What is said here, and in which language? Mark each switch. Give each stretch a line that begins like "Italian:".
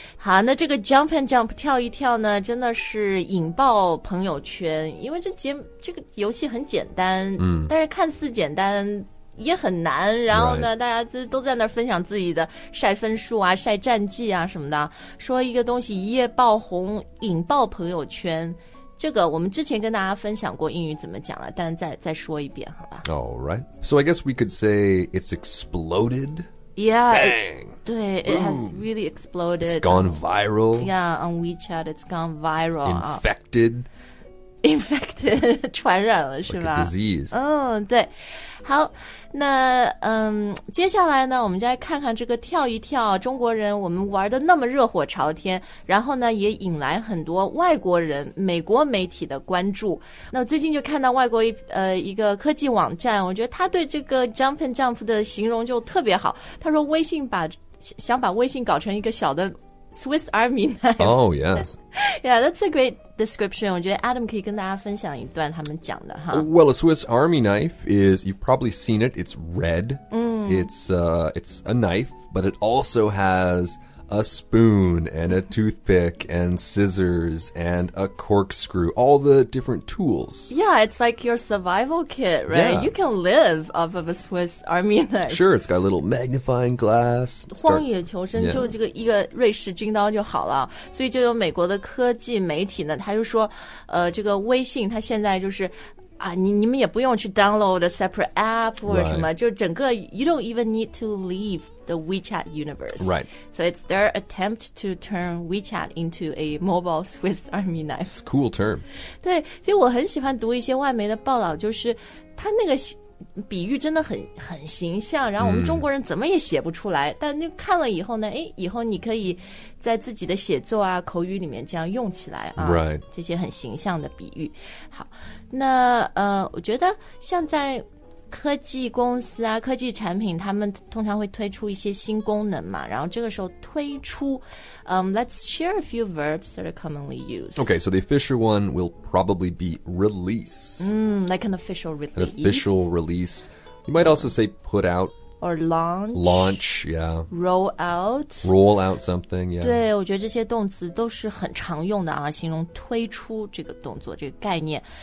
Chinese: 好那这个 jump and jump 跳一跳呢真的是引爆朋友圈因为这个游戏很简单、但是看似简单也很难然后呢、大家都在那分享自己的晒分数啊晒战绩啊什么的说一个东西一夜爆红引爆朋友圈这个我们之前跟大家分享过英语怎么讲了但再说一遍好吧
English: Alright So I guess we could say it's exploded Yeah Bang it, 对 It has really exploded It's gone viral Yeah on WeChat it's gone viral it's Infected
Chinese: Infected 传染了、
English: like、
Chinese: 是吧
English: a disease
Chinese: 对好那接下来呢我们再看看这个跳一跳中国人我们玩的那么热火朝天然后呢也引来很多外国人美国媒体的关注。那最近就看到外国一个科技网站我觉得他对这个 jump and jump 的形容就特别好。他说微信想把微信搞成一个小的 Swiss Army knife。
English: Oh, yes. Yeah, that's a great description.
Chinese: 我觉得 Adam 可以跟大家分享一段他们讲的哈。
English: Well, a Swiss Army knife is, you've probably seen it, it's red. It's a knife, but it also has a spoon and a toothpick and scissors and a corkscrew, all the different tools. Yeah, it's like your survival kit, right? Yeah. You can live off of a Swiss Army knife. Sure, it's got a little magnifying glass.
Chinese: 荒野求生、yeah. 就这个一个瑞士军刀就好了。所以就有美国的科技媒体呢，他就说，这个微信它现在就是啊，你们也不用去
English: download a separate app
Chinese: 或者什么，
English: right.
Chinese: 就整个
English: you don't even need to leave the WeChat universe. Right. So it's their attempt to turn WeChat into a mobile Swiss Army knife. It's a cool term.
Chinese: 对，所以我很喜欢读一些外媒的报道，就是他那个比喻真的很形象，然后我们中国人怎么也写不出来，但就看了以后呢，哎，以后你可以在自己的写作啊、口语里面这样用起来啊，
English: right.
Chinese: 这些很形象的比喻。好，那我觉得像在科技公司啊、科技产品，他们通常会推出一些新功能嘛，然后这个时候推出，
English: let's share a few verbs that are commonly used. Okay, so the official one will probably be release. Like an official release. An official release. You might also say put out. or launch. Launch, yeah. Roll out. Roll out something, yeah.
Chinese: 对，我觉得这些动词都是很常用的啊，形容推出这个动作，这个概念。